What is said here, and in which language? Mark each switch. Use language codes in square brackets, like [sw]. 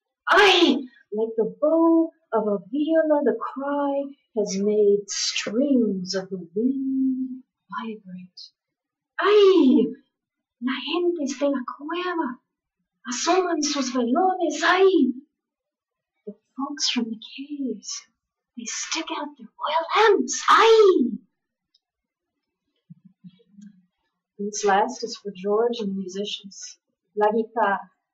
[en] ¡Ay! Like the bow of a viola, the cry has made strings of the wind vibrate. ¡Ay! [es] La gente de la cueva asoman sus velones. ¡Ay! [en] The folks from the caves, they stick out their oil lamps. ¡Ay! This last is for George and the musicians. [es] La guitarra.